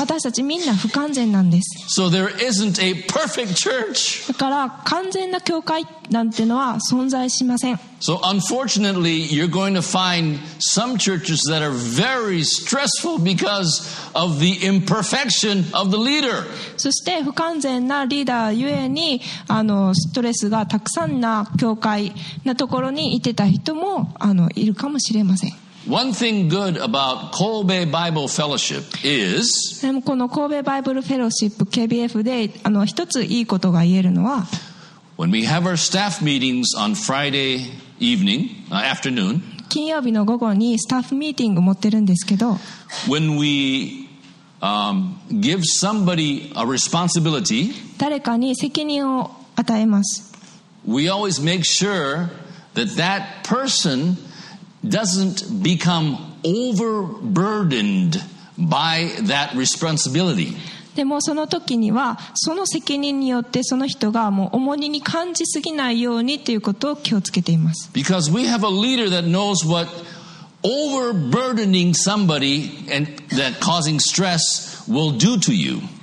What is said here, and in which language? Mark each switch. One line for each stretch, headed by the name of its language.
Japanese: 私たちみんな不完全なんです。
English: So there isn't a perfect church.
Japanese: だから完全な教会なんてのは存在しません。
English: So unfortunately, you're going to find some churches that are very stressful because of the imperfection of the leader.
Japanese: そして不完全なリーダーゆえにストレスがたくさんな教会なところにいてた人もいるかもしれません。
English: One thing good about Kobe Bible Fellowship is
Japanese: この Kobe Bible Fellowship KBF で一ついいことが言えるのは
English: When we have our staff meetings on Friday evening, afternoon,
Japanese: 金曜日の午後にスタッフミーティングを持ってるんですけど、
English: when we, give somebody a responsibility,
Japanese: 誰かに責任を与えます。
English: We always make sure that that person doesn't become overburdened by that responsibility.
Japanese: でもその時にはその責任によってその人がもう重荷に感じすぎないようにということを気をつけています。
English: Because we have a leader that knows what overburdening somebody and that causing stress will do to you.